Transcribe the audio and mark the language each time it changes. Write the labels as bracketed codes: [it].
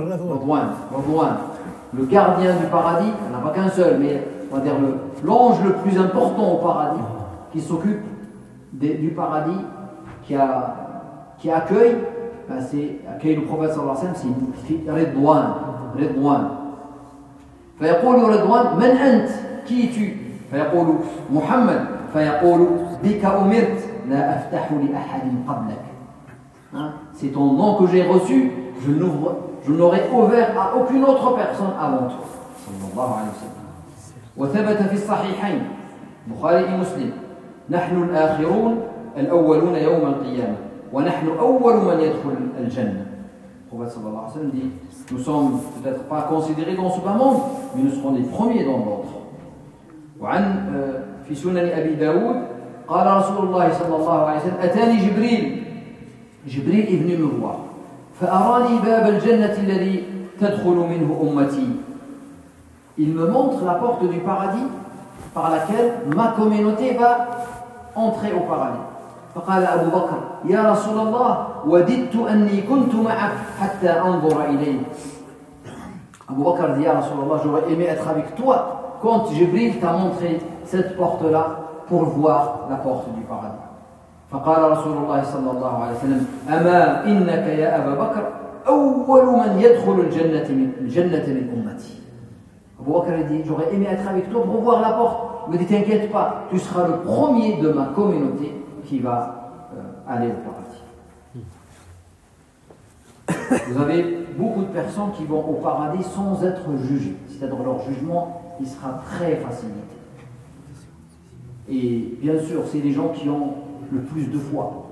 [fr] Radouane. Le gardien du paradis, il n'y en a pas qu'un seul, mais on va dire l'ange le plus important au paradis, qui s'occupe du paradis, qui accueille, ben c'est accueille le prophète sallallahu alayhi wa sallam, c'est Radouane. Ridwan. [ar] فيقول رضوان من أنت كي تي فيقول محمد فيقول بك أمرت لا أفتح لأحد قبلك. [fr] C'est ton nom que j'ai reçu, je n'aurai ouvert à aucune autre personne avant toi. [ar] صلى الله عليه وسلم. وثبت في الصحيحين بخاري ومسلم: نحن الآخرون الأولون يوم القيامة، ونحن أول من يدخل الجنة. [fr] Prophète صلى الله عليه وسلم dit: nous sommes peut-être pas considérés dans ce bas monde, mais nous serons les premiers dans l'autre. [ar] وعن في سنن أبي داود قال رسول الله صلى الله عليه وسلم: أتاني جبريل، جبريل ابن مروة، فأراني باب الجنة الذي تدخل منه أمتي. [fr] Il me montre la porte du paradis par laquelle ma communauté va entrer au paradis. [ar] فقال أبو بكر: يا رسول الله وددت أني كنت معك حتى أنظر إليك. [fr] أبو بكر dit: [ar] يا رسول الله [fr] j'aurais aimé être avec toi quand Jibril t'a montré cette porte là pour voir la porte du paradis. [ar] فقال رسول الله صلى الله عليه وسلم: أما إنك يا أبو بكر أول من يدخل الجنة من أمتي. [fr] Abu Bakr a dit: j'aurais aimé être avec toi pour voir la porte. Il m'a dit: t'inquiète pas, tu seras le premier de ma communauté qui va aller au paradis. Vous avez beaucoup de personnes qui vont au paradis sans être jugées. C'est-à-dire leur jugement, il sera très facilité. Et bien sûr, c'est les gens qui ont le plus de foi.